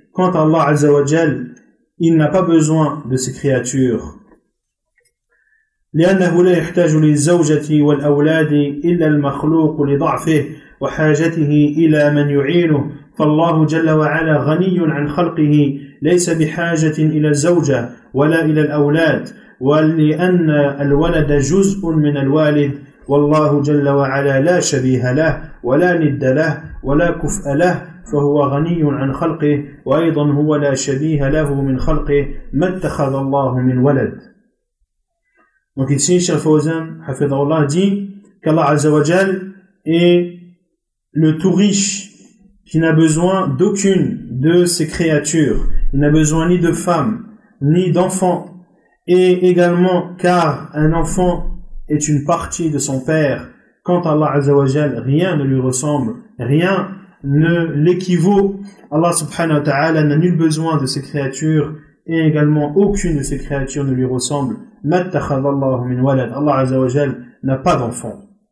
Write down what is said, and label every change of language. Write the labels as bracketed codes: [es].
[fr] Quant à Allah Azza wa Jalla, il n'a pas besoin de ces créatures. [ar] لأنه لا يحتاج للزوجة والأولاد إلا المخلوق لضعفه وحاجته إلى من يعينه فالله جل وعلا غني عن خلقه ليس بحاجة إلى الزوجة ولا إلى الأولاد ولأن الولد جزء من الوالد والله جل وعلا لا شبيه له ولا ند له ولا كفء له فهو غني عن خلقه وأيضا هو لا شبيه له من خلقه ما اتخذ الله من ولد. [fr] Donc ici, Cheikh Fawzan, Hafidhullah, dit qu'Allah Azzawajal est le tout riche qui n'a besoin d'aucune de ses créatures. Il n'a besoin ni de femme, ni d'enfant. Et également, car un enfant est une partie de son père, quant à Allah Azzawajal, rien ne lui ressemble, rien ne l'équivaut. Allah Subhanahu wa Ta'ala n'a nul besoin de ses créatures, et également aucune de ses créatures ne lui ressemble. [ar] ما اتخذ الله من ولد الله عز وجل [fr] n'a pas d'enfant.